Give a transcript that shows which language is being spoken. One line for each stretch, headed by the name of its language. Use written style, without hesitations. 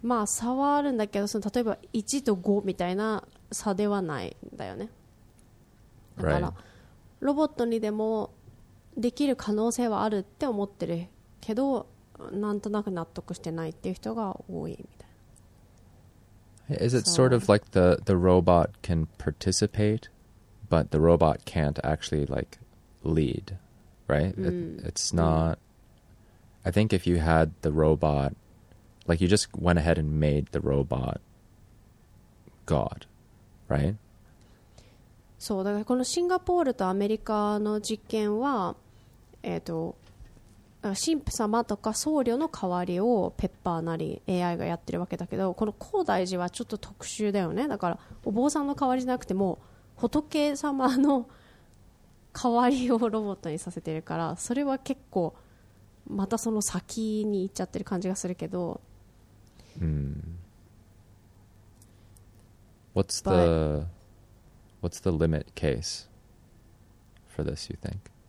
Japanese: まあ差はあるんだけど、その例えば1と5みたいな差ではないんだよね。だから、
English: right.
Japanese: ロボットにでもできる可能性はあるって思ってるけど、なんとなく納得してないっていう人が多いみたいな。
English: Is it sort of like the robot can participate, but the robot can't actually like lead, right? Mm. It's not. I think if you had the robot, like you just went ahead and made the robot God, right?
Japanese: そう、だからこのシンガポールとアメリカの実験は、神父様とか僧侶の代わりをペッパーなり AI がやってるわけだけど、この高大寺はちょっと特殊だよね。だからお坊さんの代わりじゃなくても仏様の代わりをロボットにさせてるから、それは結構またその先に行っちゃってる感じがするけど、
English: うん、What's the limit case for this, you think?